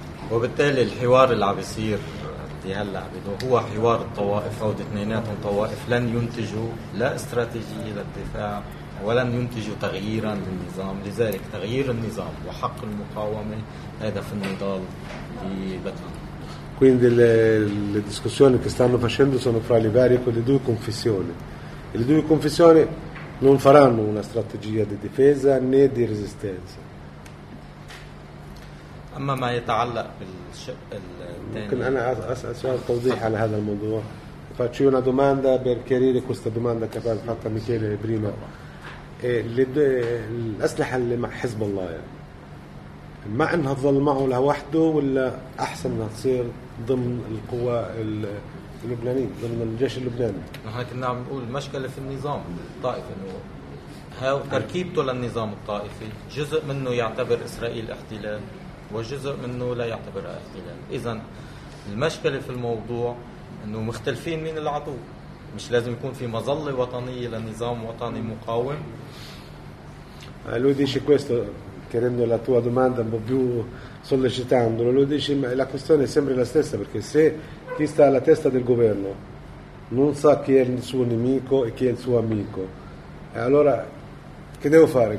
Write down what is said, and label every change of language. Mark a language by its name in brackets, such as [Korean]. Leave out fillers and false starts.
[Arabic] وبالتالي الحوار اللي عم يصير هلا هو حوار الطوائف او اثنيناتهم طوائف لن ينتجوا لا استراتيجيه للدفاع ولن ينتجوا تغييرا للنظام. لذلك تغيير النظام وحق المقاومه هدف النضال في لبنان. [Italian] Quindi le discussioni che stanno facendo sono fra le varie quelle due confessioni e le due confessioni non faranno una strategia di difesa né di resistenza. [Arabic] أما ما يتعلق بالشق الثاني. ممكن أنا أسأل سؤال توضيح على هذا الموضوع. Faccio una domanda per chiarire questa domanda che aveva fatta Michele prima. الأسلحة اللي مع حزب الله يعني. ما أنها تظل معه لوحده ولا أحسن أنها تصير ضمن القوى اللبنانية ضمن الجيش اللبناني. نحن كنا عم نقول المشكلة في النظام الطائفي إنه تركيبته للنظام الطائفي جزء منه يعتبر إسرائيل احتلال وجزء منه لا يعتبر احتلال. إذن المشكلة في الموضوع إنه مختلفين من العدو. مش لازم يكون في مظلة وطنية لنظام وطني مقاوم. [Italian] Lui dice questo chiarendo la tua domanda un po' più sollecitandolo. Lui dice ma la questione è sempre la stessa perché se chi sta alla testa del governo non sa chi è il suo nemico e chi è il suo amico, allora che devo fare?